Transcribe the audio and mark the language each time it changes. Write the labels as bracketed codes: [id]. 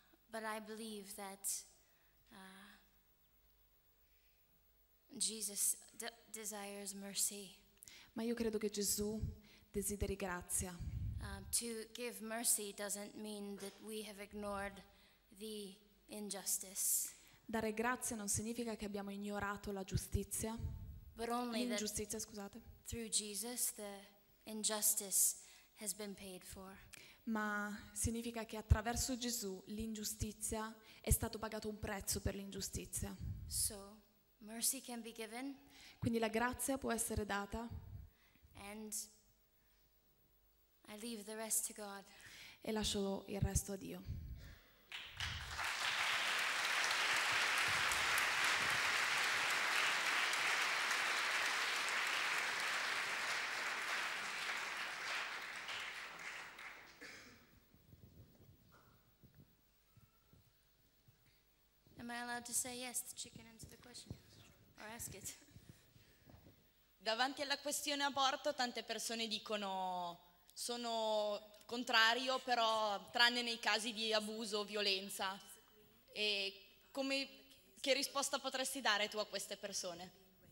[en] But I believe that Jesus desires mercy. [it] Ma io credo che Gesù desideri grazia. [en] To give mercy doesn't mean that we have ignored the injustice. [it] Dare grazia non significa che abbiamo ignorato la giustizia. [en] But only [it] l'ingiustizia, scusate. [en] Through Jesus, the injustice has been paid for. [it] Ma significa che attraverso Gesù l'ingiustizia è stato pagato un prezzo per l'ingiustizia. [en] So, mercy can be given. [it] Quindi la grazia può essere data. [en] And I leave the rest to God. [it] E lascio il resto a Dio. [en] I allowed to say yes? The chicken answer the question or ask it. [it] Davanti alla questione aborto, tante persone dicono sono contrario, però tranne nei casi di abuso o violenza. E come, che risposta potresti dare tu a queste persone?